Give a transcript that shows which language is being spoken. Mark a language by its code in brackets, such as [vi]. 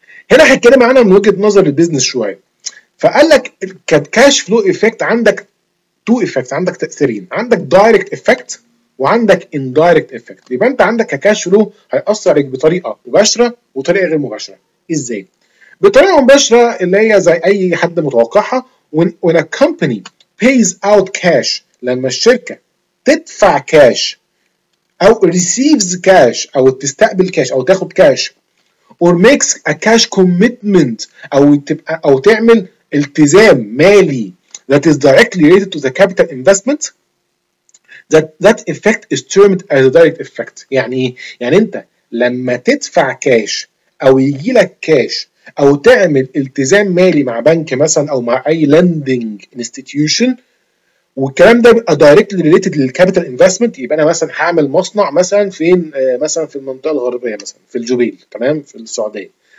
[ar] هنا هتكلم معانا من وجهه نظر البيزنس شويه. فقال لك الكاش فلو افكت عندك تو افكت، عندك تاثيرين، عندك دايركت افكت وعندك indirect effect. يبقى انت عندك كاش فلو هيأثر عليك بطريقة مباشرة وطريقة غير مباشرة. ازاي؟ بطريقة مباشرة اللي هي زي اي حد متوقعها، [en] when a company pays out cash، [ar] لما الشركة تدفع [en] cash او receives cash [ar] او تستقبل [en] cash [ar] او تاخد [en] cash or makes a cash commitment [ar] او تعمل التزام مالي [en] that is directly related to the capital investment، That effect is termed as a direct effect. [ar] يعني انت لما تدفع كاش او يجي لك كاش او تعمل التزام مالي مع بنك مثلا او مع اي lending institution، والكلام ده بيبقى directly related للcapital investment. يبقى انا مثلا هعمل مصنع مثلا فين، مثلا في المنطقه الغربيه، مثلا في الجوبيل، تمام، في السعوديه.